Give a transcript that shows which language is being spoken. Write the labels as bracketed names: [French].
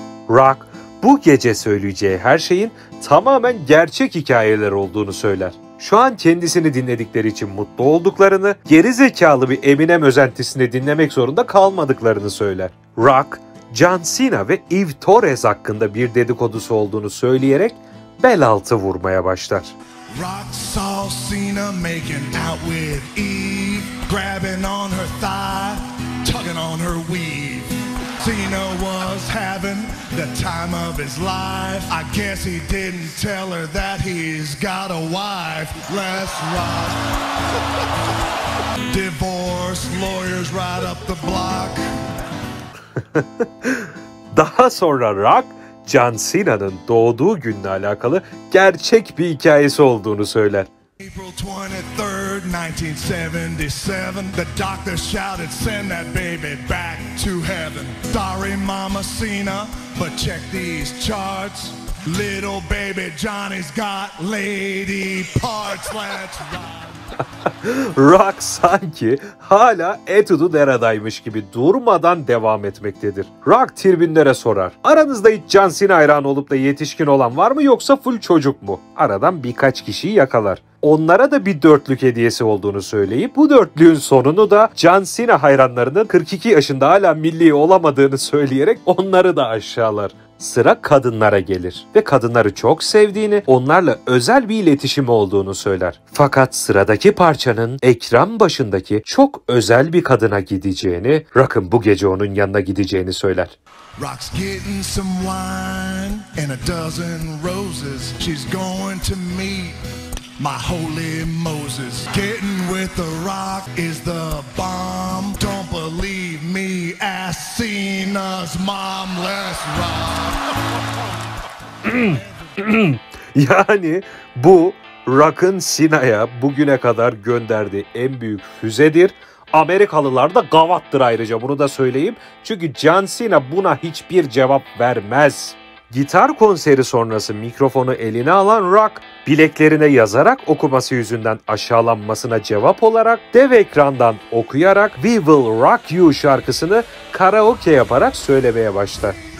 [Turkish] Rock bu gece söyleyeceği her şeyin tamamen gerçek hikayeler olduğunu söyler. Şu an kendisini dinledikleri için mutlu olduklarını, gerizekalı bir Eminem özentisini dinlemek zorunda kalmadıklarını söyler. Rock, John Cena ve Eve Torres hakkında bir dedikodusu olduğunu söyleyerek bel altı vurmaya başlar. [English] Rock saw Cena making out with Eve, grabbing on her thigh, tugging on her weave. Cena was having the time of his life. I guess he didn't tell her that he's got a wife. Let's rock. Divorce lawyers right up the block. [Turkish] Daha sonra Rock John Cena'nın doğduğu günle alakalı gerçek bir hikayesi olduğunu söyler. [English] April 23rd, 1977, the doctor shouted, send that baby back to heaven. Sorry, Mama Cena, but check these charts. Little baby Johnny's got lady parts, let's rock. [Turkish] Rock sanki hala Etude'u neredeymiş gibi durmadan devam etmektedir. Rock tribünlere sorar. Aranızda hiç John Cena hayranı olup da yetişkin olan var mı yoksa full çocuk mu? Aradan birkaç kişiyi yakalar. Onlara da bir dörtlük hediyesi olduğunu söyleyip bu dörtlüğün sonunu da John Cena hayranlarının 42 yaşında hala milli olamadığını söyleyerek onları da aşağılar. Sıra kadınlara gelir ve kadınları çok sevdiğini, onlarla özel bir iletişimi olduğunu söyler. Fakat sıradaki parçanın ekran başındaki çok özel bir kadına gideceğini, Rock'ın bu gece onun yanına gideceğini söyler. [English] Rock's getting some wine and a dozen roses. She's going to meet my holy Moses. Getting with the Rock is the bomb. Don't believe me, ask Cena's mom. Let's rock. [Turkish] Yani bu Rock'ın Cena'ya bugüne kadar gönderdiği en büyük füzedir. Amerikalılar da gavattır ayrıca, bunu da söyleyeyim. Çünkü John Cena buna hiçbir cevap vermez. Gitar konseri sonrası mikrofonu eline alan Rock, bileklerine yazarak okuması yüzünden aşağılanmasına cevap olarak dev ekrandan okuyarak We Will Rock You şarkısını karaoke yaparak söylemeye başlar.